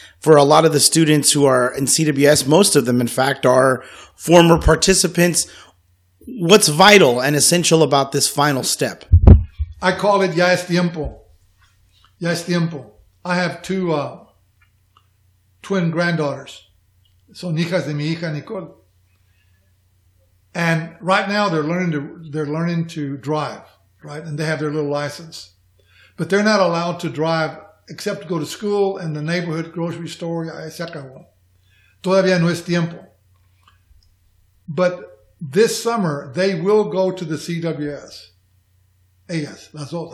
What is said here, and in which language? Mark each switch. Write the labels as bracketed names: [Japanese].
[English] for a lot of the students who are in CWS, most of them, in fact, are former participants. What's vital and essential about this final step? I call it Yas Tiempo. Yas Tiempo. I have two twin granddaughters. [Spanish] Son hijas de mi hija Nicole. [English] And right now they're learning to drive, right? And they have their little license. But they're not allowed to drive except to go to school and the neighborhood grocery store, etc. [Spanish] Todavía no es tiempo. [English] But this summer, they will go to the CWS. [Spanish] Ellas, las dos.